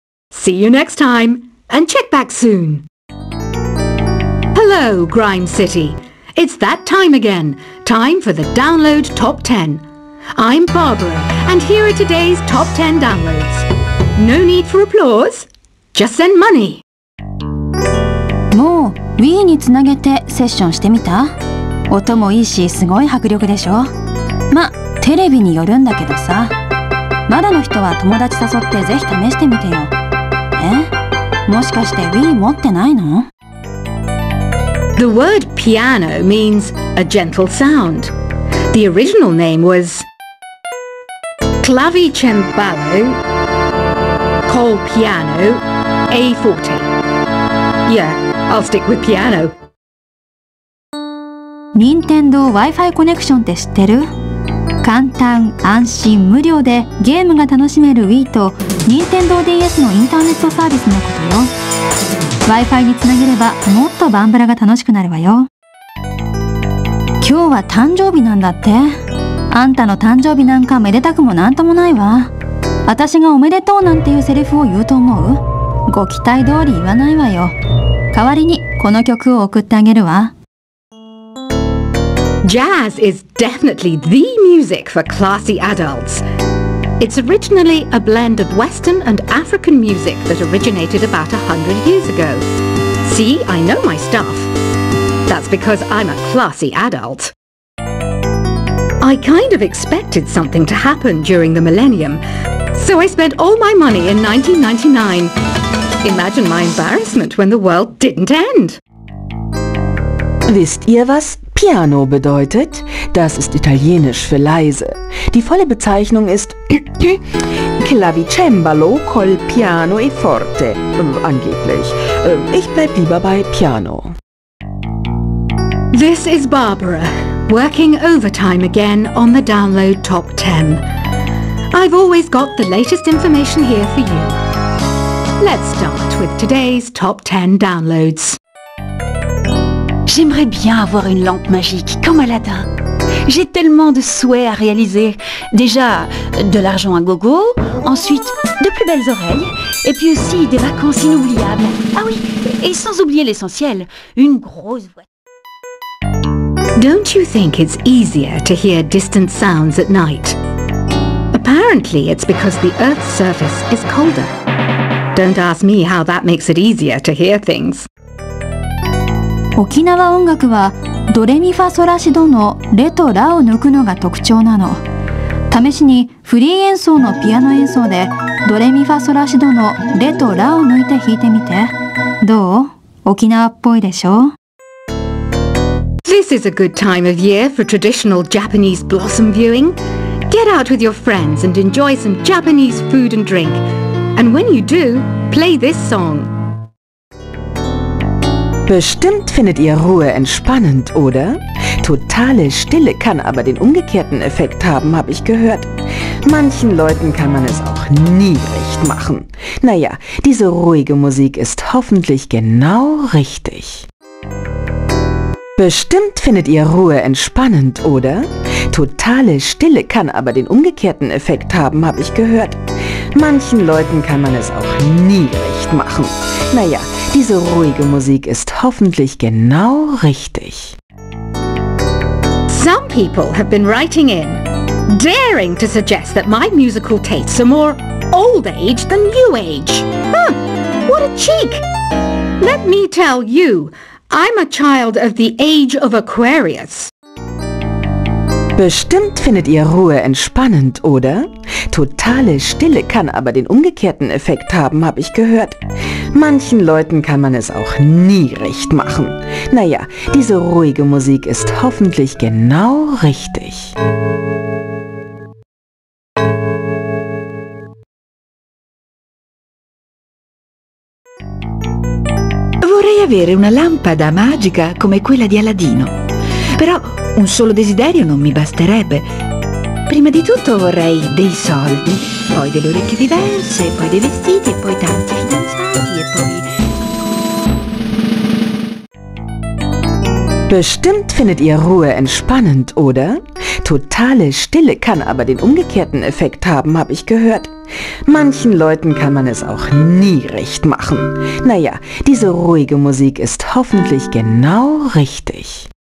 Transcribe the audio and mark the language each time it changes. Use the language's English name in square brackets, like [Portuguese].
[English] See you next time, and check back soon. Hello, Grime City. It's that time again. Time for the download top 10. I'm Barbara, and here are today's top 10 downloads. No need for applause. Just send money. [Japanese] もう Wii につなげてセッションしてみた？音もいいしすごい迫力でしょ？ま、テレビによるんだけどさ。まだの人は友達誘ってぜひ試してみてよ。え？もしかして Wii 持ってないの？ [English] The word piano means a gentle sound. The original name was clavicembalo called piano A forte. Yeah. I'll stick with piano. [Japanese] Nintendo Wi-Fi Connection って知ってる？簡単、安心、無料でゲームが楽しめる Wii と Nintendo DS のインターネットサービスのことよ。 Wi-Fi につなげればもっとバンブラが楽しくなるわよ。今日は誕生日なんだって？あんたの誕生日なんかめでたくもなんともないわ。私がおめでとうなんていうセリフを言うと思う？ご期待通り言わないわよ。代わりにこの曲を送ってあげるわ。 [English] Jazz is definitely the music for classy adults. It's originally a blend of Western and African music that originated about 100 years ago. See, I know my stuff. That's because I'm a classy adult. I kind of expected something to happen during the millennium, so I spent all my money in 1999. Imagine my embarrassment when the world didn't end. [German] Wisst ihr, was Piano bedeutet? Das ist italienisch für leise. Die volle Bezeichnung ist Clavicembalo col piano e forte. Angeblich. Ich bleib lieber bei Piano. [English] This is Barbara, working overtime again on the download top 10. I've always got the latest information here for you. Let's start with today's top 10 downloads. [French] J'aimerais bien avoir une lampe magique comme Aladdin. J'ai tellement de souhaits à réaliser. Déjà, de l'argent à gogo, ensuite, de plus belles oreilles, et puis aussi des vacances inoubliables. Ah oui, et sans oublier l'essentiel, une grosse voiture. [English] Don't you think it's easier to hear distant sounds at night? Apparently, it's because the Earth's surface is colder. Don't ask me how that makes it easier to hear things. [Japanese] 沖縄音楽はドレミファソラシドのレとラを抜くのが特徴なの。試しにフリー演奏のピアノ演奏でドレミファソラシドのレとラを抜いて弾いてみて。どう？沖縄っぽいでしょ？ [English] This is a good time of year for traditional Japanese blossom viewing. Get out with your friends and enjoy some Japanese food and drink. And when you do, play this song. [German] Bestimmt findet ihr Ruhe entspannend, oder? Totale Stille kann aber den umgekehrten Effekt haben, habe ich gehört. Manchen Leuten kann man es auch nie recht machen. Naja, diese ruhige Musik ist hoffentlich genau richtig. Bestimmt findet ihr Ruhe entspannend, oder? Totale Stille kann aber den umgekehrten Effekt haben, habe ich gehört. Manchen Leuten kann man es auch nie recht machen. Naja, diese ruhige Musik ist hoffentlich genau richtig. [English] Some people have been writing in, daring to suggest that my musical tastes are more old age than new age. Huh, what a cheek! Let me tell you, I'm a child of the age of Aquarius. [German] Bestimmt findet ihr Ruhe entspannend, oder? Totale Stille kann aber den umgekehrten Effekt haben, habe ich gehört. Manchen Leuten kann man es auch nie recht machen. Naja, diese ruhige Musik ist hoffentlich genau richtig. [Italian] Vorrei avere una lampada magica come quella di Aladino. Però un solo desiderio non mi basterebbe. Prima di tutto vorrei dei soldi, poi delle orecchie diverse, poi dei vestiti e poi tanti fidanzati e poi... [German] Bestimmt findet ihr Ruhe entspannend, oder? Totale Stille kann aber den umgekehrten Effekt haben, habe ich gehört. Manchen Leuten kann man es auch nie recht machen. Naja, diese ruhige Musik ist hoffentlich genau richtig.